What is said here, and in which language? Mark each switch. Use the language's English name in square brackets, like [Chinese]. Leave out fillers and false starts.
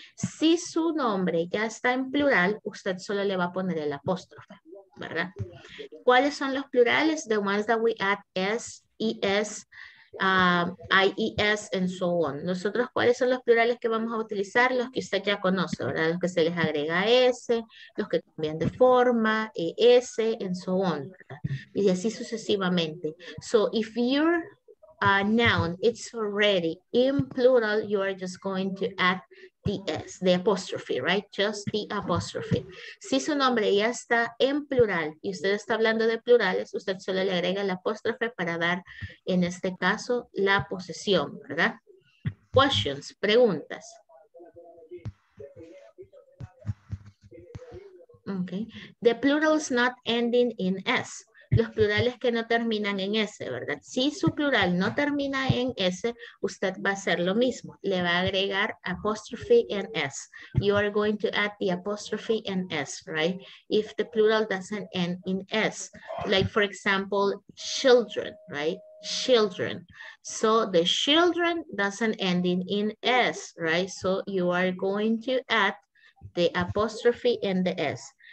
[Spanish] Si su nombre ya está en plural, usted solo le va a poner el apóstrofe, ¿verdad? ¿Cuáles son los plurales? [English] The ones that we add S, ES, IES, and so on. [Spanish] Nosotros, ¿cuáles son los plurales que vamos a utilizar? Los que usted ya conoce, ¿verdad? Los que se les agrega S, los que cambian de forma, ES, [English] and so on, [Spanish] ¿verdad? Y así sucesivamente. [English] So, if your noun is already in plural, you are just going to add TS, the apostrophe, right? Just the apostrophe. [Spanish] Si su nombre ya está en plural y usted está hablando de plurales, usted solo le agrega el apóstrofe para dar, en este caso, la posesión, ¿verdad? [English] Questions, preguntas. Okay. The plural is not ending in S. [Spanish] Los plurales que no terminan en S, ¿verdad? Si su plural no termina en S, usted va a hacer lo mismo. Le va a agregar [English] apostrophe and S. You are going to add the apostrophe and S, right? If the plural doesn't end in S. Like, for example, children, right? Children. So the children doesn't end in S, right? So you are going to add the apostrophe and the S.